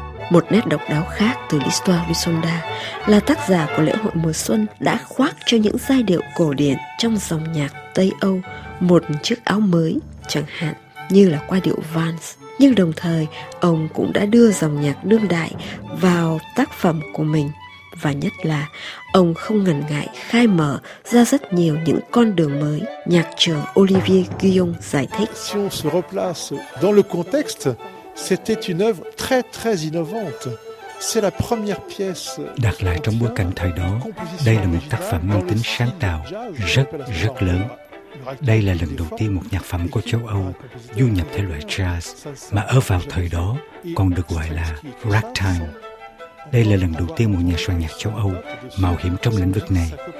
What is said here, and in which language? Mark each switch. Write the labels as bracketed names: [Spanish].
[Vietnamese] Một nét độc đáo khác từ L'Histoire du Soldat là tác giả của lễ hội mùa xuân đã khoác cho những giai điệu cổ điển trong dòng nhạc Tây Âu một chiếc áo mới, chẳng hạn như là qua điệu Vals. Nhưng đồng thời, ông cũng đã đưa dòng nhạc đương đại vào tác phẩm của mình. Và nhất là, ông không ngần ngại khai mở ra rất nhiều những con đường mới. Nhạc trưởng Olivier Guillon giải thích. [French] Si on se replace dans le contexte, c'était une œuvre très très innovante. C'est la première pièce. [Vietnamese] Đặt lại trong bối cảnh thời đó, đây là một tác phẩm mang tính sáng tạo rất rất lớn. Đây là lần đầu tiên một nhạc phẩm của châu Âu du nhập thể loại jazz mà ở vào thời đó còn được gọi là ragtime. Đây là lần đầu tiên một nhà soạn nhạc châu Âu mạo hiểm trong lĩnh vực này.